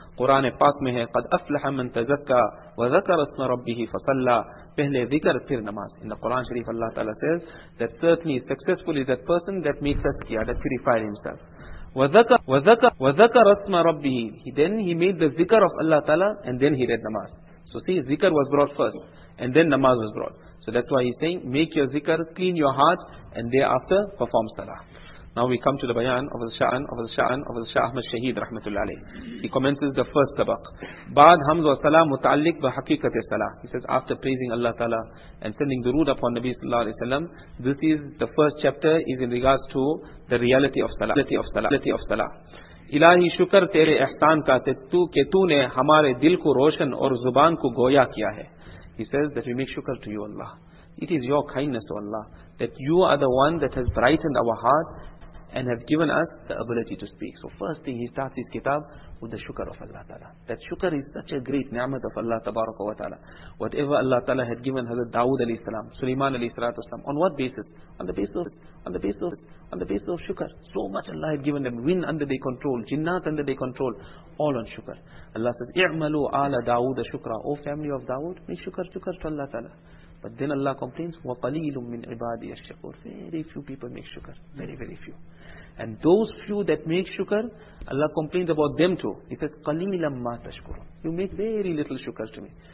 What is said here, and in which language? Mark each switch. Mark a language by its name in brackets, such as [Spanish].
[Urdu] قرآن پاک میں ہے [Arabic] قد افلح من تزکا وذکر اسم ربه فصلى. [Urdu] پہلے ذکر پھر نماز. [English] In the Quran Sharif Allah Ta'ala says that certainly successful is that person that makes tazkiya, that purified himself. [Arabic] وَذَكَرَ اسْمَ رَبِّهِ. [English] Then he made the zikr of Allah Ta'ala and then he read namaz. So see, zikr was brought first and then namaz was brought. So that's why he's saying, make your zikr, clean your heart and thereafter perform salah. Now we come to the bayan of Al-Shah Ahmad Shaheed Rahmatullah Alayh. He commences the first tabaq. [Urdu] بعد حمد و سلام متعلق بحقیقت صلاح. [English] He says, after praising Allah Ta'ala and sending durood upon Nabi Sallallahu Alaihi Wasallam, this is the first chapter is in regards to the reality of salah. [Urdu] الہی شکر تیرے احسان کا کہ تو نے ہمارے دل کو روشن اور زبان کو گویا کیا ہے. [English] He says that we make shukr to you Allah. It is your kindness, O Allah, that you are the one that has brightened our heart and have given us the ability to speak. So first thing, he starts his kitab with the shukr of Allah Ta'ala. That shukr is such a great ni'mat of Allah Tabaraka wa Ta'ala. Whatever Allah Ta'ala had given Hazrat Dawood alayhi salam, Sulaiman alayhi salatu wasalam, on what basis? On the basis of shukr. So much Allah had given them. Wind under their control, jinnat under their control, all on shukr. Allah says, [Arabic] اعملوا آل داود شكرا. [English] O family of Dawood, make shukr to Allah Ta'ala. But then Allah complains, [Arabic] وَقَلِيلٌ مِّنْ عِبَادِي الشَّكُورِ. [English] Very few people make shukr. Very, very few. And those few that make shukr, Allah complains about them too. He says, [Arabic] قَلِيلًا مَّا تَشْكُرُونَ. [English] You make very little shukr to me.